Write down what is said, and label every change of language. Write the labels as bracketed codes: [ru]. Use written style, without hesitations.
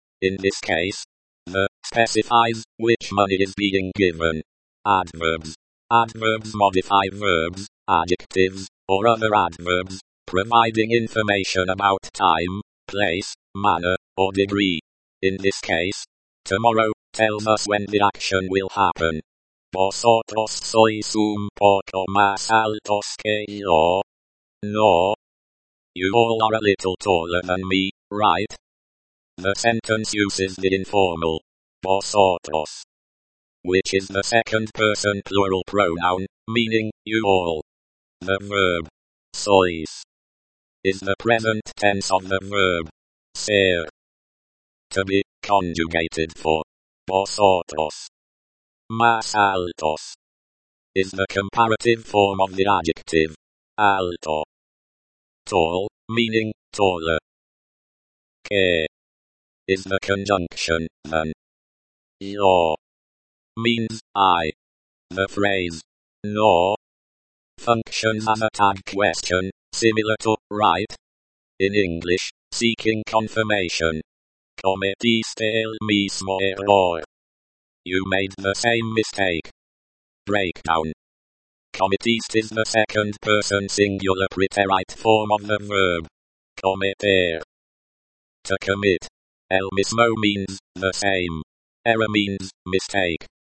[en] In this case, the specifies which money is being given. Adverbs. Adverbs modify verbs, adjectives, or other adverbs, providing information about time, place, manner, or degree. In this case, tomorrow tells us when the action will happen. [es] Vosotros sois un poco más altos que yo. No. [en] You all are a little taller than me, right? The sentence uses the informal vosotros, which is the second person plural pronoun, meaning you all. The verb sois is the present tense of the verb ser, to be conjugated for vosotros. Más altos is the comparative form of the adjective alto, tall, meaning taller. Que is the conjunction than. Yo means I. The phrase no functions as a tag question, similar to right. In English, seeking confirmation. [es] Cometiste el mismo error. [en] You made the same mistake. Breakdown. Cometiste is the second person singular preterite form of the verb cometer. To commit. El mismo means the same. Error means mistake.